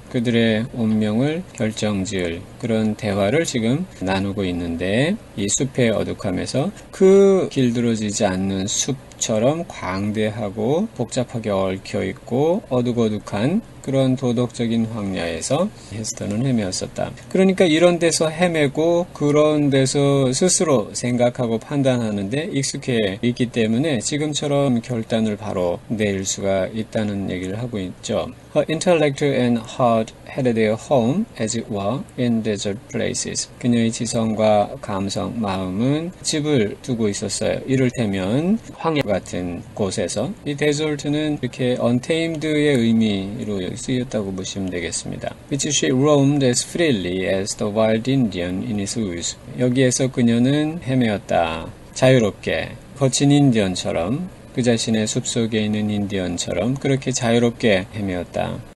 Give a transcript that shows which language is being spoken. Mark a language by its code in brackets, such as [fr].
[ko] 그들의 운명을 결정지을 그런 대화를 지금 나누고 있는데 이 숲의 어둑함에서 그 길들여지지 않는 숲처럼 광대하고 복잡하게 얽혀 있고 어둑어둑한 그런 도덕적인 황야에서 헤스터는 헤매었었다. 그러니까 이런 데서 헤매고 그런 데서 스스로 생각하고 판단하는데 익숙해 있기 때문에 지금처럼 결단을 바로 내릴 수가 있다는 얘기를 하고 있죠. [en] Her intellect and heart had their home, as it were, in desert places. [ko] 그녀의 지성과 감성, 마음은 집을 두고 있었어요. 이를테면 황야 같은 곳에서 이 데저트는 이렇게 untamed의 의미로 쓰였다고 보시면 되겠습니다. [en] Which she roamed as freely as the wild Indian in his woods. [ko] 여기에서 그녀는 헤매었다. 자유롭게 거친 인디언처럼 그 자신의 숲속에 있는 인디언처럼 그렇게 자유롭게 헤매었다.